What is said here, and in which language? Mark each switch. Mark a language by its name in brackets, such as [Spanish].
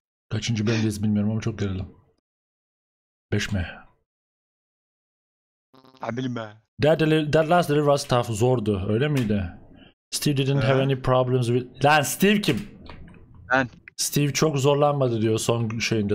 [Turkish] Kaçıncı bölümdeyiz bilmiyorum ama çok gerildim. 5 mi? Ben bilim be. [English] That last delivery was tough, [Turkish] zordu. Öyle miydi? [English] Steve didn't have any problems with... [Turkish] Lan Steve kim? Ben. Steve çok zorlanmadı diyor son şeyinde.